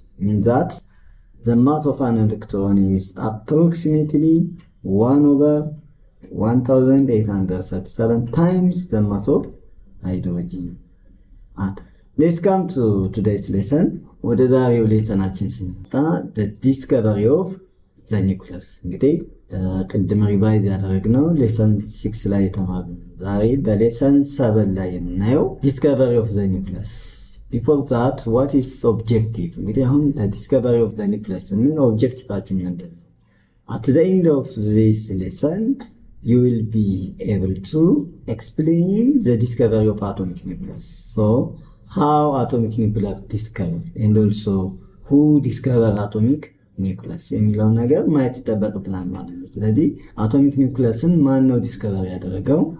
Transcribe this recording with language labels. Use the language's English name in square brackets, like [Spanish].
[English] Means that the mass of an electron is approximately 1/1837 times the mass of hydrogen atom. Let's come to today's lesson. [Amharic] ወደ ዛሬው ሌሰናችን ስንመጣ [English] the discovery of the nucleus. [Amharic] እንግዲህ ቅድም ሪቫይዝ ያደረግነው lesson 6 ላይ ተማርን። ዛሬ በlesson 7 ላይ እናየው [English] discovery of the nucleus. Before that, what is objective? [Amharic] እንግዲህ አሁን [English] the discovery of the nucleus [Amharic] ምን objective-ታችን ምንድን ነው? [English] At the end of this lesson, you will be able to explain the discovery of atomic nucleus. So how atomic nucleus discovered and also who discovered atomic nucleus [Amharic] የሚለው ነገር ማየት ተበቅተናል ማለት ነው። ስለዚህ [English] atomic nucleusን [Amharic] ማን ነው discover ያደረገው?